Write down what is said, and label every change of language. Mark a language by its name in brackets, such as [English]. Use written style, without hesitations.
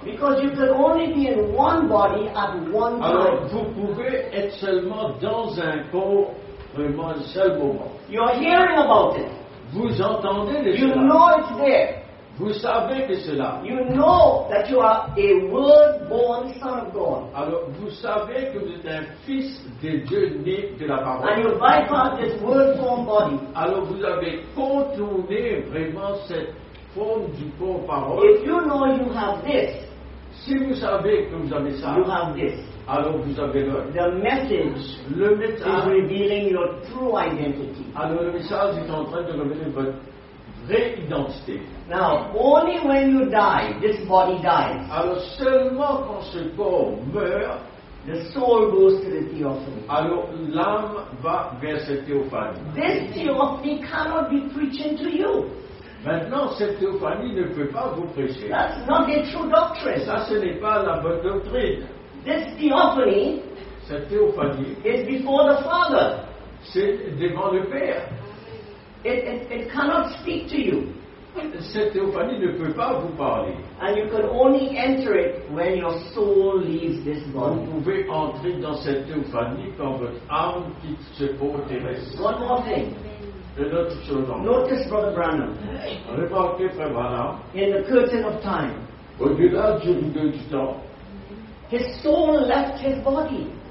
[English] Because you can only be in one body at one time. [French] Alors vous pouvez être seulement dans un corps vraiment un seul moment. [English] You're hearing about it. [French] Vous entendez les [English] you [French] cela. [English] Know it's there. [French] Vous savez que cela. [English] You know that you are a word-born son of God. [French] Alors, vous savez que vous êtes un fils de Dieu né de la parole. [English] And you bypass this word-born body. [French] Alors, vous avez contourné vraiment cette forme du corps parole. [English] If you know you have this, [French] si vous savez que vous avez ça, [English] you have this. [French] Alors vous avez le. [English] The message, [French] le message [English] is revealing your true identity. [French] Alors le message est en train de révéler votre vraie identité. [English] Now, only when you die, this body dies. [French] Alors seulement quand ce corps meurt, [English] the soul goes to the theophany. [French] Alors l'âme va vers cette théophanie. [English] This theophany cannot be preaching to you. [French] Maintenant, cette théophanie ne peut pas vous prêcher. [English] That's not the true doctrine. [French] Ça, ce n'est pas la bonne doctrine. [English] This theophany, [French] cette théophanie, [English] is before the Father. [French] C'est devant le Père. [English] It cannot speak to you. [French] Cette théophanie ne peut pas vous parler. [English] And you can only enter it when your soul leaves this body. [French] Vous pouvez entrer dans cette théophanie quand votre âme quitte ce corps terrestre. [English] One more thing. [French] Autre chose. [English] Notice Brother Branham. [French] Remarquez Frère Branham. [English] In the curtain of time. [French] Au-delà du rideau du temps. [English] His soul left his body.